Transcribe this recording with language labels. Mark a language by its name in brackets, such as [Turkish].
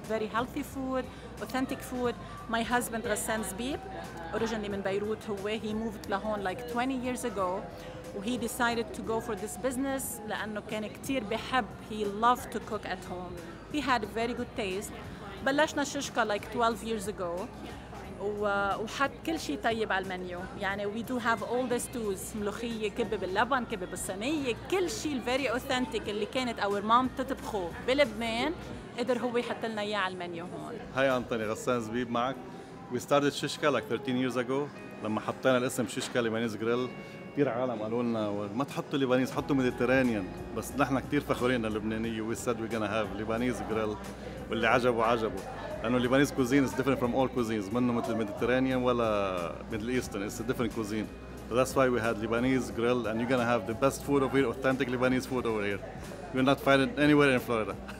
[English] Very healthy food, authentic food. My husband Ghassan Zbib, originally [Arabic] من بيروت, [English] he moved لهون like 20 years ago. He decided to go for this business [Arabic] لأنه كان كتير بحب. [English] He loved to cook at home. He had very good taste. [Arabic] بلشنا [English] Shishka like 12 years ago. [Arabic] وحط كل شيء طيب على المنيو. يعني [English] we do have all the stews, [Arabic] ملوخية, كبة باللبن, كبة بالصينية, كل شيء [English] very authentic [Arabic] اللي كانت [English] our mom [Arabic] تطبخه بلبنان قدر هو يحط لنا اياه على المنيو هون. هاي انطوني, غسان زبيب معك. [English] We started Shishka like 13 years ago. [Arabic] لما حطينا الاسم Shishka Lebanese Grill كثير عالم قالوا لنا ما تحطوا ليبانيز, حطوا ميديترانيان. بس نحن كثير فخورين اللبناني. [English] We said we're gonna have Lebanese Grill, [Arabic] واللي عجبوا عجبوا. [English] لأنه Lebanese cuisine is different from all cuisines, [Arabic] منه مثل [English] Mediterranean ولا Middle Eastern, it's a different cuisine. So that's why we had Lebanese grill and you're gonna have the best food over here, authentic Lebanese food over here. You will not find it anywhere in Florida.